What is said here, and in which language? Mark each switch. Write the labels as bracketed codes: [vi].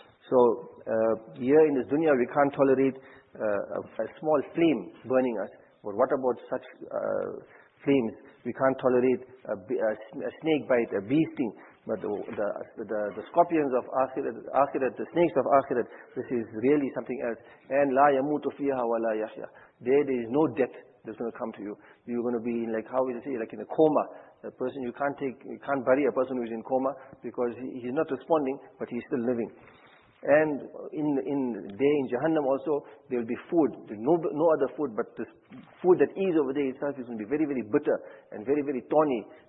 [en] So here in this dunya, we can't tolerate a small flame burning us. But what about such flames? We can't tolerate a snake bite, a bee sting. But the scorpions of Akhirat, the snakes of Akhirat, this is really something else. [ar] And لا يموت فيها ولا يحيا. [en] There is no death that's going to come to you. You're going to be in, like, how we say, like in a coma. A person, you can't bury a person who is in coma because he's not responding, but he's still living. And in Jahannam also, there will be food. No other food, but the food that is over there itself is going to be very, very bitter and very, very thorny.